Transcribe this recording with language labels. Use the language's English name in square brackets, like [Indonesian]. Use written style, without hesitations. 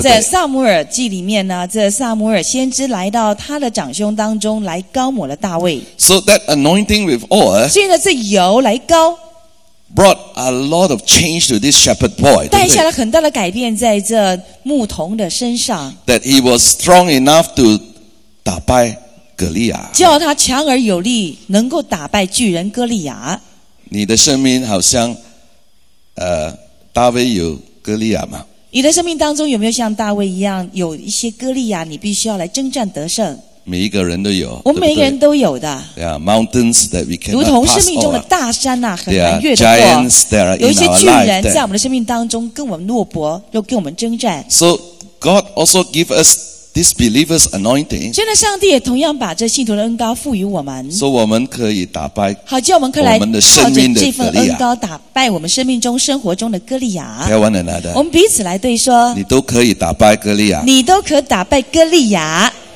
[Chinese] 在撒母耳记里面呢，这撒母耳先知来到他的长兄当中，来膏抹了大卫。 [English] So that anointing with oil. [Chinese] 所以呢，这油来膏。 [English] Brought a lot of change to this shepherd boy. [Chinese] 带下了很大的改变在这牧童的身上。 [English] That he was strong enough to [Chinese] 打败哥利亚。叫他强而有力，能够打败巨人哥利亚。你的生命好像，大卫有哥利亚吗？你的生命当中有没有像大卫一样有一些哥利亚？你必须要来征战得胜。每一个人都有，我们每一个人都有的。 [English] Yeah, mountains that we cannot pass over. [Chinese] 如同生命中的大山呐、啊，很难越得过。 [English] Giants that are in our life. [Chinese] 有一些巨人在我们的生命当中跟我们诺伯，又跟我们征战。 [English] So God also give us this believer's anointing. [Chinese] 真的，上帝也同样把这信徒的恩膏赋予我们。 [English] So [Chinese] 我们可以打败。好，叫我们可以来靠着这份恩膏打败我们生命中生活中的哥利亚。 [English] Tell one another. [Chinese] 我们彼此来对说。你都可以打败哥利亚。你都可打败哥利亚。